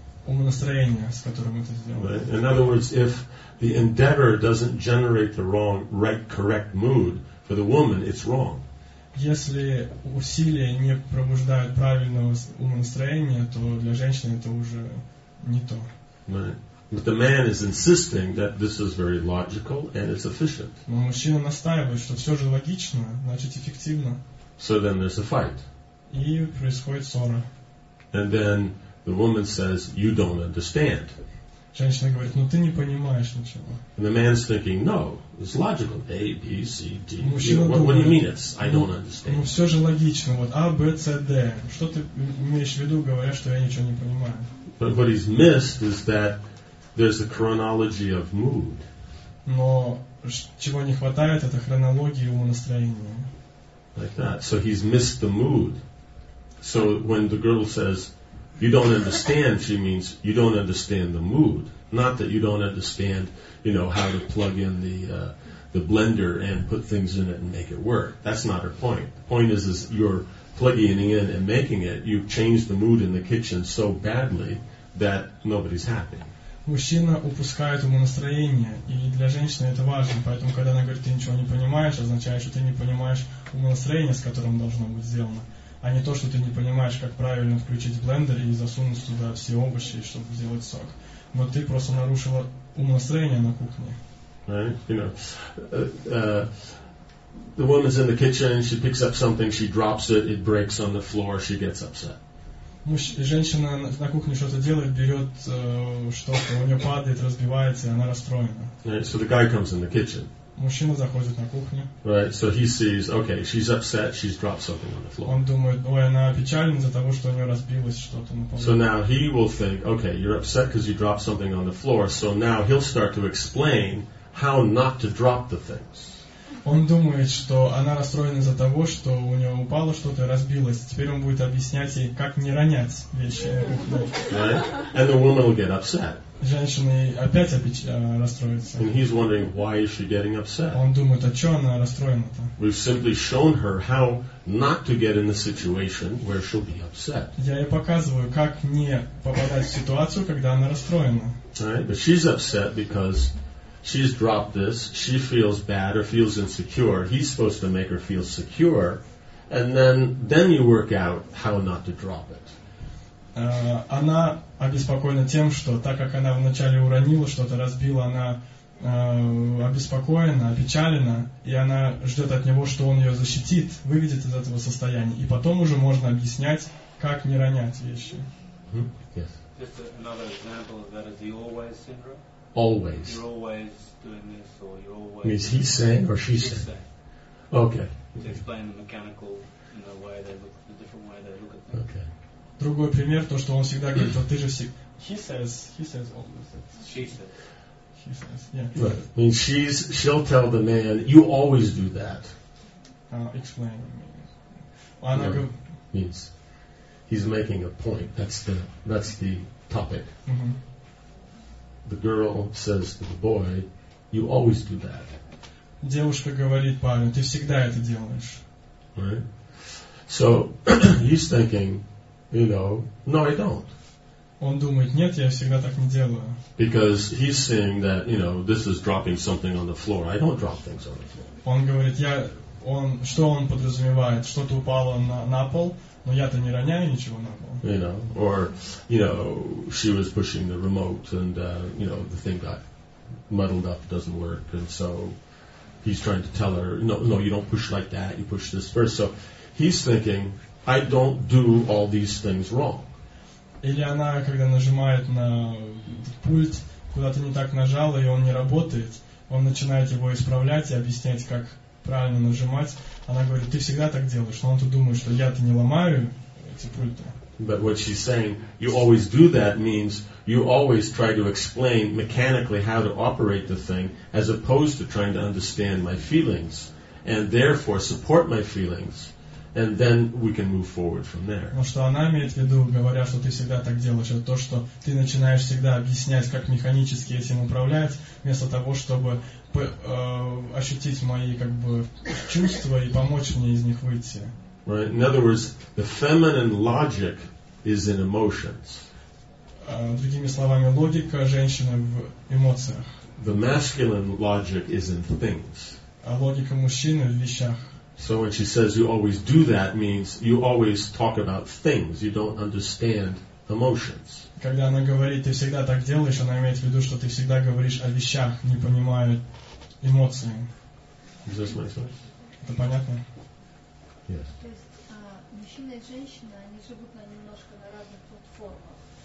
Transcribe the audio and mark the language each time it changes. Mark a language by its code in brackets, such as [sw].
[ru] Умонастроение, с которым это сделано. [en] Right? In other words, if the endeavor doesn't generate the wrong, right, correct mood for the woman, it's wrong. [ru] Если усилия не пробуждают правильного умонастроения, то для женщины это уже не то. [en] Right. But the man is insisting that this is very logical and it's efficient. [ru] Но мужчина настаивает, что все же логично, значит эффективно. [en] So then there's a fight. [ru] И происходит ссора. [en] And then the woman says, "You don't understand." [ru] Женщина говорит, ну ты не понимаешь ничего. [en] And the man's thinking, no, it's logical. A, B, C, D. [ru] Мужчина [en] what, [ru] думает, [en] what do you mean it's, I don't understand. [ru] Ну все же логично. Вот А, Б, С, Д. Что ты имеешь в виду, говоря, что я ничего не понимаю? [en] But what he's missed is that there's a chronology of mood. [ru] Но чего не хватает, это хронологии его настроения. [en] Like that. So he's missed the mood. So when the girl says, you don't understand, she means you don't understand the mood. Not that you don't understand, you know, how to plug in the blender and put things in it and make it work. That's not her point. The point is you're plugging in and making it. You've changed the mood in the kitchen so badly that nobody's happy. [ru] Мужчина упускает ему настроение, и для женщины это важно. Поэтому, когда она говорит, ты ничего не понимаешь, означает, что ты не понимаешь ему настроение, с которым должно быть сделано. А не то, что ты не понимаешь, как правильно включить блендер и засунуть туда все овощи, чтобы сделать сок. Но ты просто нарушила умонастроение на кухне. [en] Right? You know, the woman's in the kitchen, she picks up something, she drops it, it breaks on the floor, she gets upset. [ru] Женщина на кухне что-то делает, берет что-то, у нее падает, разбивается, и она расстроена. [en] Right? So the guy comes in the kitchen. [ru] Мужчина заходит на кухню. [en] Right, so he sees, okay, she's upset, she's dropped something on the floor. [ru] Он думает, ой, она печальна из-за того, что у нее разбилось что-то на полу. [en] So now he will think, okay, you're upset because you dropped something on the floor, so now he'll start to explain how not to drop the things. [ru] Он думает, что она расстроена из-за того, что у нее упало что-то и разбилось. Теперь он будет объяснять ей, как не ронять вещи на кухне. [en] Right, and the woman will get upset. [ru] Женщина опять расстроится. [en] And he's wondering why is she getting upset. [ru] Он думает, а что она расстроена-то? [en] We've simply shown her how not to get in the situation where she'll be upset. [ru] Я ей показываю, как не попадать в ситуацию, когда она расстроена. [en] Right? But she's upset because She's dropped this. She feels bad or feels insecure. He's supposed to make her feel secure. And then you work out how not to drop it. [ru] Она обеспокоена тем, что так как она вначале уронила что-то, разбила, она обеспокоена, опечалена, и она ждет от него, что он ее защитит, выведет из этого состояния. И потом уже можно объяснять, как не ронять вещи. [en] Mm-hmm. Yes. Just another example of that is the always syndrome. Always. You're always doing this, or you're always... Means he's saying or she's saying. Saying. Okay. To explain the mechanical, you know, way they look, the different way they look at things. Okay. [ru] Другой пример, то, что он всегда говорит, вот ты же всегда... [en] He says always. She says, yeah. Right. I mean, she'll tell the man, you always do that. Explain. Means he's making a point. That's the topic. Mm-hmm. The girl says to the boy, you always do that. [ru] Девушка говорит парню, ты всегда это делаешь. [en] Right? So, he's thinking... You know, no, I don't. [ru] Он думает, нет, я всегда так не делаю. [en] Because he's saying that, you know, this is dropping something on the floor. I don't drop things on the floor. [ru] Он говорит, что он подразумевает? Что-то упало на пол, но я-то не роняю ничего на пол. [en] You know, or, you know, she was pushing the remote and, you know, the thing got muddled up, doesn't work. And so he's trying to tell her, no, you don't push like that, you push this first. So he's thinking... I don't do all these things wrong. [ru] Или она, когда нажимает на пульт, куда-то не так нажала, и он не работает, он начинает его исправлять и объяснять, как правильно нажимать. Она говорит, ты всегда так делаешь. Но он тут думает, что я-то не ломаю эти пульты. [en] But what she's saying, you always do that, means you always try to explain mechanically how to operate the thing, as opposed to trying to understand my feelings, and therefore support my feelings. And then we can move forward from there. [ru] Но что она имеет в виду, говоря, что ты всегда так делаешь, это то, что ты начинаешь всегда объяснять, как механически этим управлять, вместо того, чтобы ощутить мои как бы чувства и помочь мне из них выйти. [en] Right. In other words, the feminine logic is in emotions. [ru] Другими словами, логика женщины в эмоциях. [en] The masculine logic is in things. [ru] А логика мужчины в вещах. [en] So when she says you always do that, means you always talk about things. You don't understand emotions. [ru] Когда она говорит, ты всегда так делаешь, она имеет в виду, что ты всегда говоришь о вещах, не понимая эмоций. [en] Does this make sense? [ru] Это понятно? [en] Yes. [ru] То есть мужчина и женщина, они живут на немножко на разных платформах.